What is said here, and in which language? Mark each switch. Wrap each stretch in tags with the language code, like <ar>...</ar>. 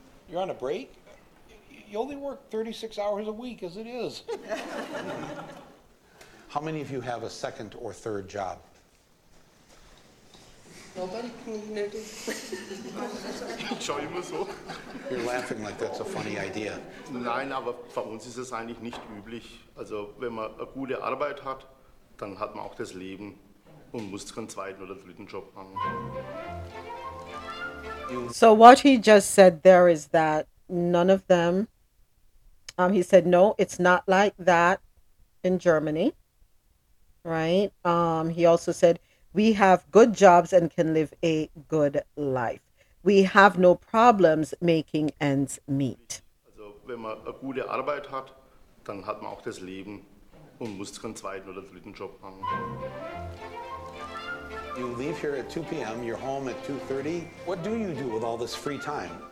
<en>You're on a break? You only work 36 hours a week as it is. How many of you have a second or third job?</en> <de>Schau immer so.</de> <en>You're laughing like that's a funny idea.</en> <de>Nein, aber bei uns ist es eigentlich nicht üblich. Also wenn man eine gute Arbeit hat, dann hat man auch das Leben und muss keinen zweiten oder dritten Job machen.</de> <en>So what he just said there is that none of them, he said, no, it's not like that in Germany, right? He also said, we have good jobs and can live a good life. We have no problems making ends meet.</en> <de>Also, wenn man eine gute Arbeit hat, dann hat man auch das Leben und muss keinen zweiten oder dritten Job machen.</de> <en>You leave here at 2 p.m., you're home at 2:30. What do you do with all this free time?</en>